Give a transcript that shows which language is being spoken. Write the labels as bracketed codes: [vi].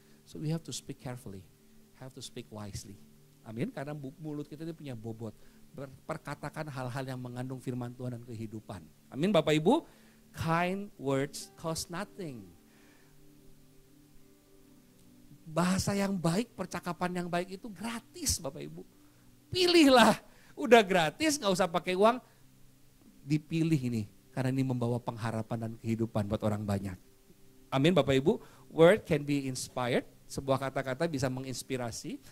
[en] So we have to speak carefully, have to speak wisely. [id] Amin, karena mulut kita ini punya bobot. Perkatakan hal-hal yang mengandung firman Tuhan dan kehidupan. Amin Bapak Ibu. [en] Kind words cost nothing. [id] Bahasa yang baik, percakapan yang baik itu gratis Bapak Ibu. Pilihlah, udah gratis gak usah pakai uang. Dipilih ini, karena ini membawa pengharapan dan kehidupan buat orang banyak. Amin Bapak Ibu. [en] Word can be inspired. [id] Sebuah kata-kata bisa menginspirasi.